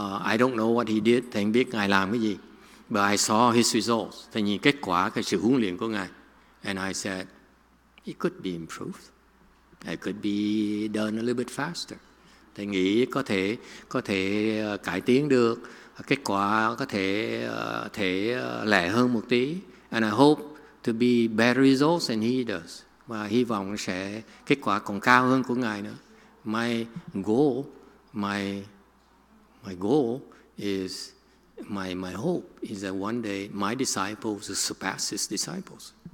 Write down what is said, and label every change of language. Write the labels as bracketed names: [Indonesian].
[English] I don't know what he did, [Vietnamese] thầy biết ngài làm cái gì, [English] but I saw his results. [Vietnamese] Thầy nhìn kết quả cái sự huấn luyện của ngài, [English] and I said it could be improved. It could be done a little bit faster. [Vietnamese] Thầy nghĩ có thể cải tiến được, kết quả có thể thể lẻ hơn một tí. [English] And I hope to be better results than he does. [Vietnamese] Và hy vọng sẽ kết quả còn cao hơn của ngài nữa. [English] My hope is that one day my disciples will surpass his disciples.